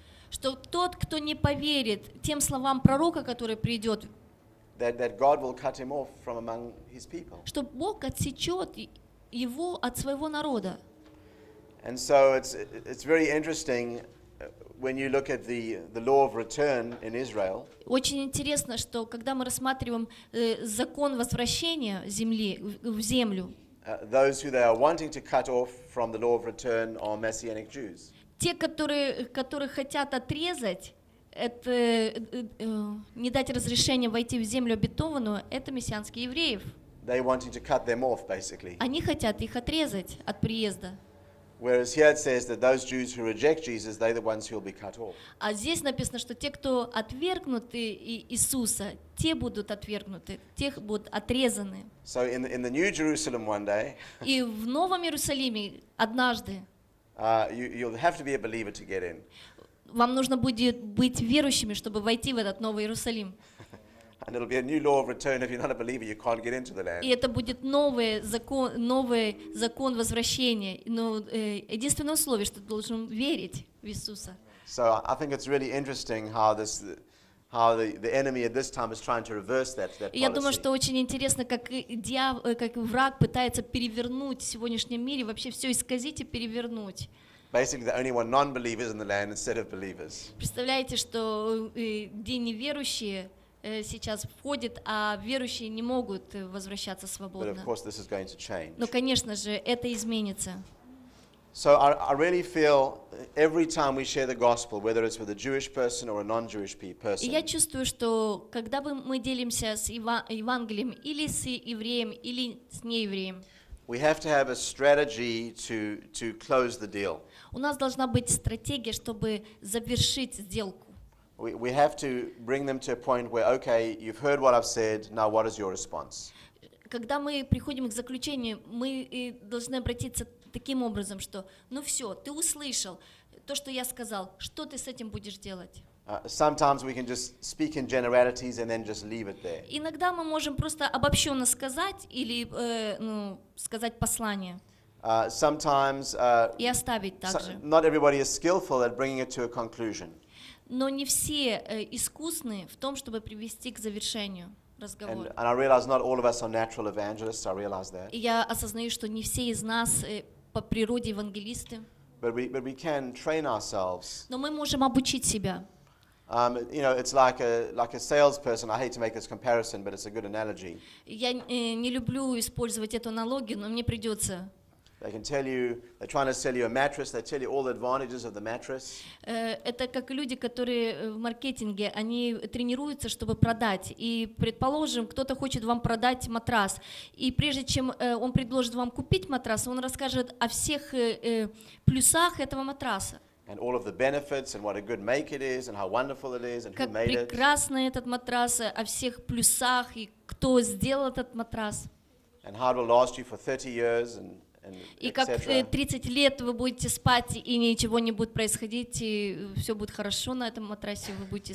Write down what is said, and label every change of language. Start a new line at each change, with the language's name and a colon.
Russian: Что тот, кто не поверит тем словам пророка, который придет.
English: That God will cut him off from among his people.
Russian: Что Бог отсечет его от своего народа.
English: And so it's very interesting. When you look at the law of return in Israel.
Russian: Очень интересно, что когда мы рассматриваем закон возвращения земли в землю.
English: Those who they are wanting to cut off from the law of return are messianic Jews.
Russian: Те, которые хотят отрезать, это не дать разрешение войти в землю обетованную, это мессианские евреи.
English: They wanting to cut them off basically.
Russian: Они хотят их отрезать от приезда.
English: Whereas here it says that those Jews who reject Jesus, they're the ones who'll be cut off.
Russian: А здесь написано, что те, кто отвергнут Иисуса, те будут отвергнуты, тех будут отрезаны.
English: So in the New Jerusalem one day.
Russian: И в Новом Иерусалиме однажды.
English: You'll have to be a believer to get in.
Russian: Вам нужно будет быть верующими, чтобы войти в этот Новый Иерусалим.
English: And it'll be a new law of return. If you're not a believer, you can't get into the land.
Russian: И это будет новый закон возвращения. Но единственное условие, что ты должен верить в Иисуса.
English: So I think it's really interesting how the enemy at this time is trying to reverse that policy.
Russian: Я думаю, что очень интересно, как враг пытается перевернуть в сегодняшнем мире вообще все исказить и перевернуть.
English: Basically, the only one non-believers in the land instead of believers.
Russian: Представляете, что неверующие сейчас входит, а верующие не могут возвращаться свободно.
English: But of course, this is going to change.
Russian: Но, конечно же, это изменится.
English: So I really feel every time we share the gospel, whether it's with a Jewish person or a non-Jewish person.
Russian: Я чувствую, что когда мы делимся с Евангелием или с евреем или с неевреем.
English: We have to have a strategy to close the deal.
Russian: У нас должна быть стратегия, чтобы завершить сделку.
English: We have to bring them to a point where, okay, you've heard what I've said, now what is your response?
Russian: Когда мы приходим к заключению, мы должны обратиться таким образом, что, ну все, ты услышал то, что я сказал, что ты с этим будешь делать?
English: Sometimes we can just speak in generalities and then just leave it there.
Russian: Иногда мы можем просто обобщенно сказать или сказать послание.
English: Sometimes.
Russian: И оставить также.
English: Not everybody is skillful at bringing it to a conclusion.
Russian: Но не все искусны в том, чтобы привести к завершению разговора.
English: And I realize not all of us are natural evangelists. I realize that.
Russian: Я осознаю, что не все из нас по природе евангелисты.
English: But we can train ourselves.
Russian: Но мы можем обучить себя.
English: You know, it's like a salesperson. I hate to make this comparison, but it's a good analogy.
Russian: Я не люблю использовать эту аналогию, но мне придется.
English: They can tell you they're trying to sell you a mattress. They tell you all the advantages of the mattress.
Russian: Это как люди, которые в маркетинге, они тренируются, чтобы продать. И предположим, кто-то хочет вам продать матрас, и прежде чем он предложит вам купить матрас, он расскажет о всех плюсах этого матраса.
English: And all of the benefits and what a good make it is and how wonderful it is and who made it.
Russian: Как прекрасно этот матрас, о всех плюсах и кто сделал этот матрас.
English: And how it will last you for 30 years and.
Russian: И как 30 лет вы будете спать, и ничего не будет происходить, и все будет хорошо на этом матрасе, вы будете